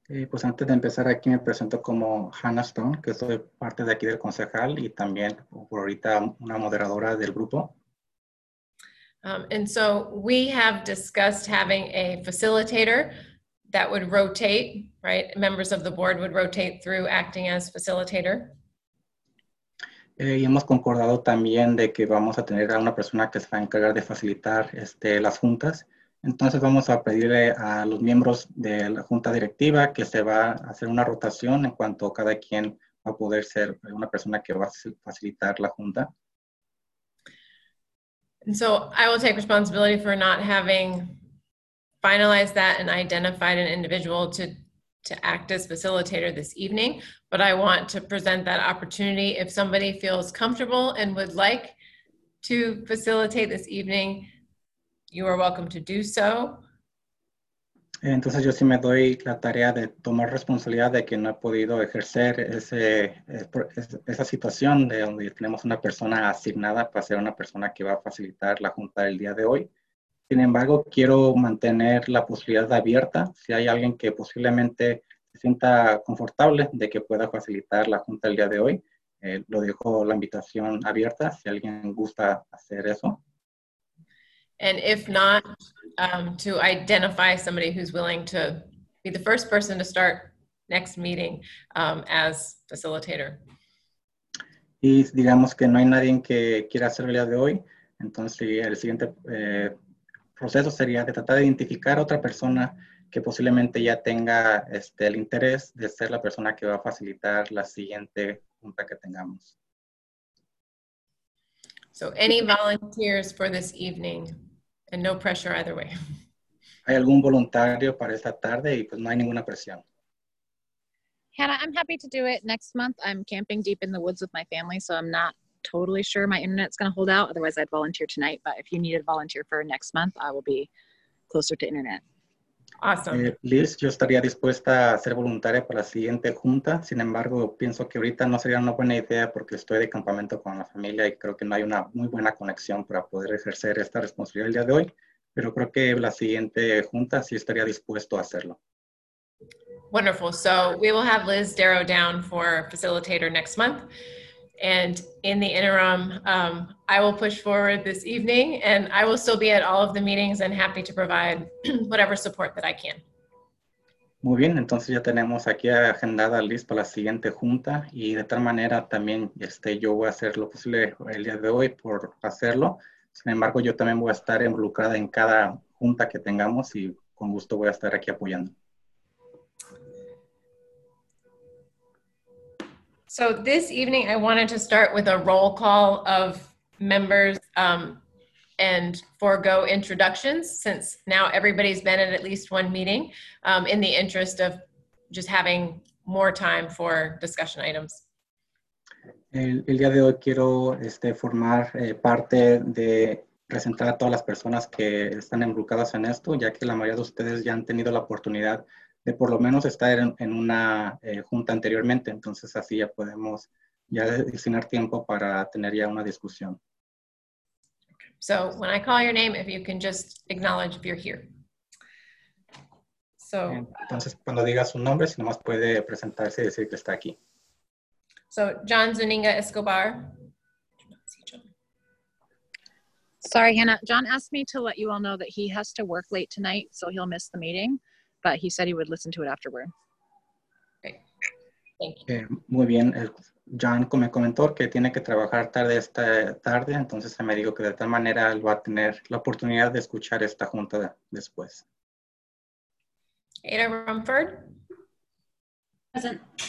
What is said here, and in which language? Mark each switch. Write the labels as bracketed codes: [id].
[es] Pues antes de empezar aquí me presento como Hannah Stone, que soy parte de aquí del concejal y también por ahorita una moderadora del grupo. [en] And so we have discussed having a facilitator that would rotate, right? Members of the board would rotate through acting as facilitator. [es] Y hemos concordado también de que vamos a tener a una persona que se va a encargar de facilitar las juntas. Entonces vamos a pedirle a los miembros de la junta directiva que se va a hacer una rotación en cuanto cada quien va a poder ser una persona que va a facilitar la junta. [en] And so I will take responsibility for not having finalized that and identified an individual to act as facilitator this evening, but I want to present that opportunity. If somebody feels comfortable and would like to facilitate this evening, you are welcome to do so. [es] Entonces yo sí me doy la tarea de tomar responsabilidad de que no he podido ejercer esa situación de donde tenemos una persona asignada para ser una persona que va a facilitar la junta del día de hoy. Sin embargo, quiero mantener la posibilidad abierta si hay alguien que posiblemente se sienta confortable de que pueda facilitar la junta el día de hoy. Lo dejo la invitación abierta si alguien gusta hacer eso. [en] And if not, to identify somebody who's willing to be the first person to start next meeting as facilitator. [es] Y digamos que no hay nadie que quiera hacer el día de hoy. Entonces, el siguiente proceso sería de tratar de identificar a otra persona que posiblemente ya tenga el interés de ser la persona que va a facilitar la siguiente junta que tengamos. [en] So any volunteers for this evening, and no pressure either way. [es] ¿Hay algún voluntario para esta tarde? Y pues no hay ninguna presión. [en] Hannah, I'm happy to do it next month. I'm camping deep in the woods with my family, so I'm not totally sure my internet's going to hold out. Otherwise, I'd volunteer tonight. But if you need a volunteer for next month, I will be closer to internet. Awesome. [es] Liz, yo estaría dispuesta a ser voluntaria para la siguiente junta. Sin embargo, pienso que ahorita no sería una buena idea porque estoy de campamento con la familia y creo que no hay una muy buena conexión para poder ejercer esta responsabilidad el día de hoy. Pero creo que la siguiente junta sí estaría dispuesto a hacerlo. [en] Wonderful. So we will have Liz Darrow down for facilitator next month. And in the interim, I will push forward this evening and I will still be at all of the meetings and happy to provide whatever support that I can. [es] Muy bien, entonces ya tenemos aquí agendada Liz para la siguiente junta y de tal manera también yo voy a hacer lo posible el día de hoy por hacerlo. Sin embargo, yo también voy a estar involucrada en cada junta que tengamos y con gusto voy a estar aquí apoyando. [en] So this evening, I wanted to start with a roll call of members and forego introductions, since now everybody's been at least one meeting, in the interest of just having more time for discussion items. [es] El día de hoy quiero formar parte de presentar a todas las personas que están involucradas en esto, ya que la mayoría de ustedes ya han tenido la oportunidad de por lo menos estar en una junta anteriormente. Entonces, así ya podemos ya destinar tiempo para tener ya una discusión. [en] So, when I call your name, if you can just acknowledge if you're here. [es] So, entonces, cuando diga su nombre, si nomás puede presentarse y decir que está aquí. [en] So, John Zuniga Escobar. Sorry, Hannah. John asked me to let you all know that he has to work late tonight, so he'll miss the meeting. But he said he would listen to it afterward. Okay. Thank you. [es] Muy bien. John me comentó que tiene que trabajar tarde esta tarde, entonces me dijo que de tal manera él va a tener la oportunidad de escuchar esta junta después. [en] Ada Rumford. Present.